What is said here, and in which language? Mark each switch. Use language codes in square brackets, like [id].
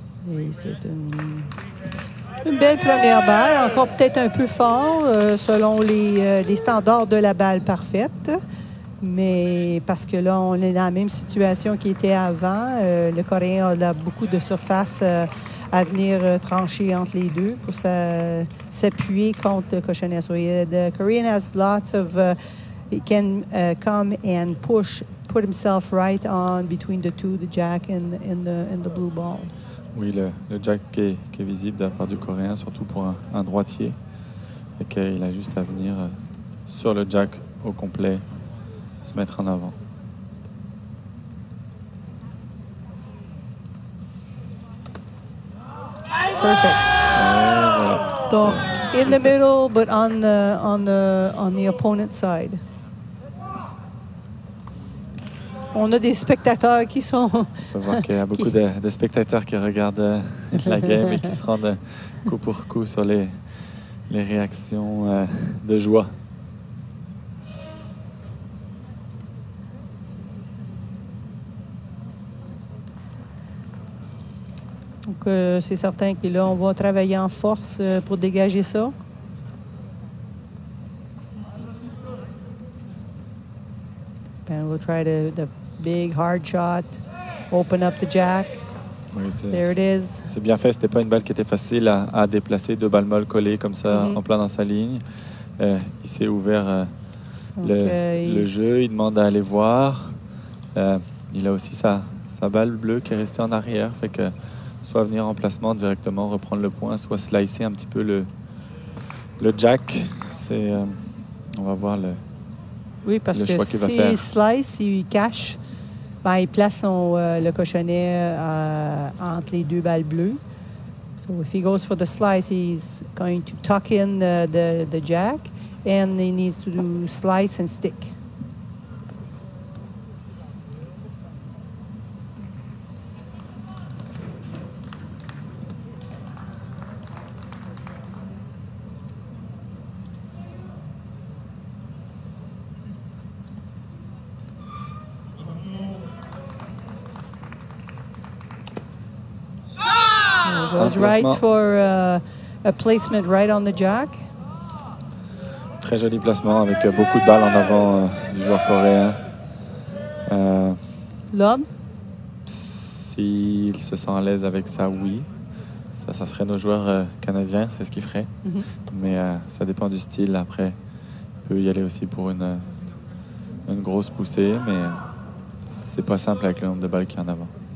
[fr] Et c'est une belle première balle, encore peut-être un peu fort selon les standards de la balle parfaite. Mais parce que là, on est dans la même situation qu'il était avant. Le Coréen a beaucoup de surface à venir trancher entre les deux pour s'appuyer contre le cochonnet. [en] So, the Korean has lots of... he can come and push, put himself right on between the two, the jack and in the blue ball. [fr] Oui, le jack qui est visible de la part du Coréen, surtout pour un droitier. Et qu'il a juste à venir sur le jack au complet. Se mettre en avant. [en] Perfect. Donc, in the middle, but on the opponent side. [fr] On a des spectateurs qui sont. On peut voir qu'il y a beaucoup de spectateurs qui regardent la game et qui se rendent coup pour coup sur les réactions de joie. Donc, c'est certain que là, on va travailler en force pour dégager ça. [en] we'll try the big hard shot, open up the jack. [fr] Oui, [en] there it is. [fr] C'est bien fait. C'était pas une balle qui était facile à déplacer. Deux balles molles collées comme ça, mm-hmm. en plein dans sa ligne. Il s'est ouvert le jeu. Il demande à aller voir. Il a aussi sa balle bleue qui est restée en arrière, fait que soit venir en placement directement, reprendre le point, soit slicer un petit peu le jack. C'est on va voir le. Oui, parce le choix que qu'il va faire. Slice, il cache. Ben, il place le cochonnet entre les deux balles bleues. [en] So if he goes for the slice, he's going to tuck in the jack, and he needs to do slice and stick. Right for a placement right on the jack. [fr] Très joli placement avec beaucoup de balles en avant du joueur coréen. L'homme? S'il se sent à l'aise avec ça, oui. Ça serait nos joueurs canadiens, c'est ce qu'il ferait. Mm-hmm. Mais ça dépend du style. Après, il peut y aller aussi pour une grosse poussée, mais c'est pas simple avec le nombre de balles qu'il y a en avant.